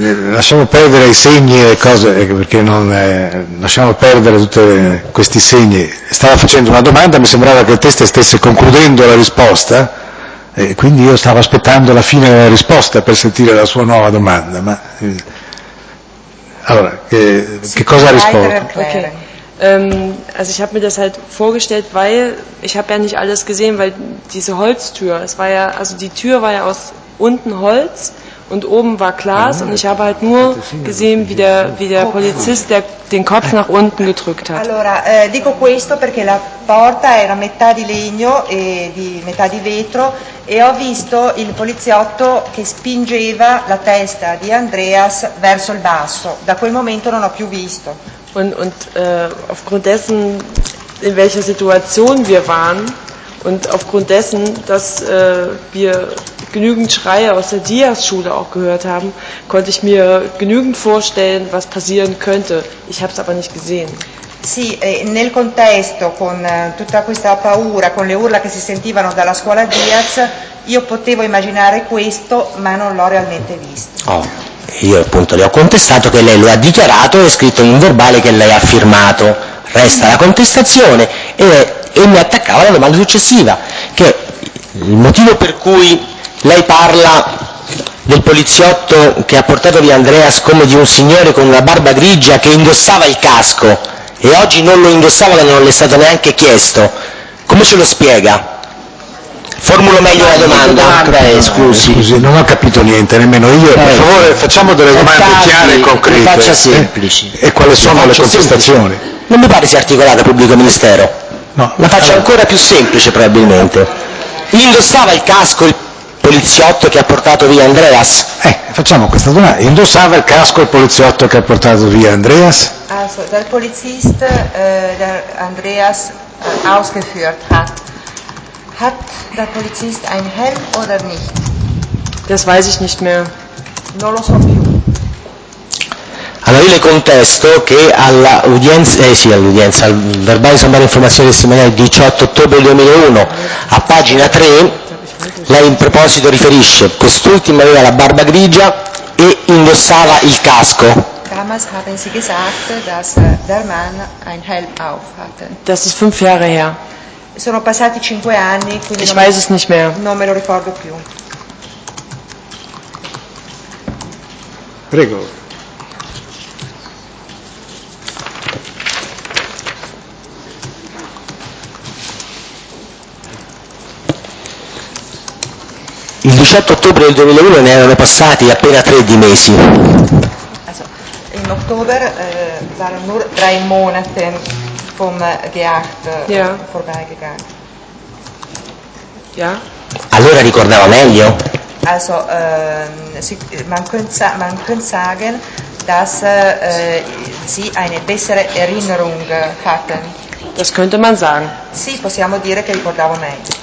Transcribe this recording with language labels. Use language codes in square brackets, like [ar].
[it] Lasciamo perdere i segni e cose, perché non lasciamo perdere tutti questi segni. Stava facendo una domanda, mi sembrava che il test stesse concludendo la risposta. E quindi io stavo aspettando la fine della risposta per sentire la sua nuova domanda. Ma allora, che cosa ha risposto? Okay. [de] Also ich habe mir das halt vorgestellt, weil ich habe ja nicht alles gesehen, weil diese Holztür, es war ja, also die Tür war ja aus unten Holz und oben war Glas, und ich habe halt nur gesehen, wie der Polizist den Kopf nach unten gedrückt hat. [it] Allora, dico questo perché la porta era metà di legno e di metà di vetro, e ho visto il poliziotto che spingeva la testa di Andreas verso il basso. Da quel momento non ho più visto. [de] Und aufgrund dessen, in welcher Situation wir waren, und aufgrund dessen, dass wir genügend Schreie aus der Diaz-Schule auch gehört haben, konnte ich mir genügend vorstellen, was passieren könnte. Ich habe es aber nicht gesehen. [it] Sì, nel contesto, con tutta questa paura, con le urla che si sentivano dalla scuola Diaz, io potevo immaginare questo, ma non l'ho realmente visto. Oh. Io appunto le ho contestato che lei lo ha dichiarato e scritto in un verbale che lei ha firmato. Resta la contestazione e mi attaccava alla domanda successiva, che il motivo per cui lei parla del poliziotto che ha portato via Andreas come di un signore con una barba grigia che indossava il casco e oggi non lo indossava e non le è stato neanche chiesto, come ce lo spiega? Formulo meglio la domanda. Scusi, non ho capito niente, nemmeno io. Per favore, facciamo delle domande chiare e concrete. Faccia semplici. E quali sono le contestazioni? Semplice. Non mi pare sia articolata, pubblico ministero. No. La faccio ancora più semplice, probabilmente. Indossava il casco il poliziotto che ha portato via Andreas? Facciamo questa domanda. Indossava il casco il poliziotto che ha portato via Andreas? Dal polizista [de] Andreas ausgeführt hat. Hat der Polizist ein Helm oder nicht? Das weiß ich nicht mehr. [it] Non lo so più. Allora io le contesto che all'udienza, al verbale di sommaria informazione testimoniale 18 ottobre 2001, a pagina 3, lei in proposito riferisce: quest'ultimo aveva la barba grigia e indossava il casco. [de] Damals haben Sie gesagt, dass der Mann ein Helm auf hatte. Das ist 5 Jahre her. [it] Sono passati 5 anni, quindi [de] ich weiß es nicht mehr. [it] Non me lo ricordo più. Prego. Il 18 ottobre del 2001 ne erano passati appena 3 di mesi. In ottobre [de] waren nur 3 Monate. [it] Allora ricordava meglio? [de] Also, man könnte sagen, dass sie eine bessere Erinnerung hatten. Das könnte man sagen. [it] Sì, possiamo dire che ricordava meglio.